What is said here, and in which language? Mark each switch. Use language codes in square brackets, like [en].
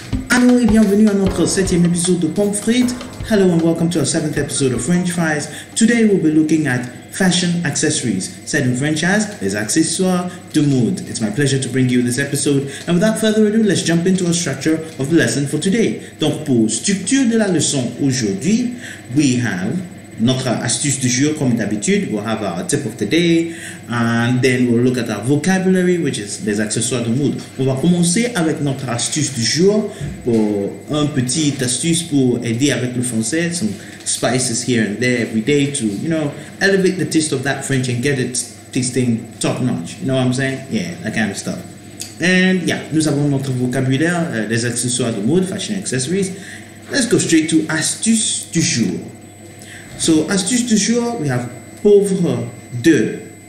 [fr] Hello et bienvenue à notre 7e épisode de Pommes Frites. [en] Hello and welcome to our 7th episode of French Fries. Today we'll be looking at fashion accessories. Said in French as [fr] les accessoires de mode. [en] It's my pleasure to bring you this episode. And without further ado, let's jump into our structure of the lesson for today. [fr] Donc pour structure de la leçon aujourd'hui, [en] we have [fr] notre astuce du jour comme d'habitude. [en] We'll have our tip of the day. And then we'll look at our vocabulary, which is [fr] les accessoires de mode. On va commencer avec notre astuce du jour pour un petit astuce pour aider avec le français. [en] Some spices here and there every day to, you know, elevate the taste of that French and get it tasting top notch. You know what I'm saying? Yeah, that kind of stuff. And yeah, [fr] nous avons notre vocabulaire, les accessoires de mode, [en] fashion accessories. Let's go straight to astuce du jour. So, astuce du jour, we have pauvre de.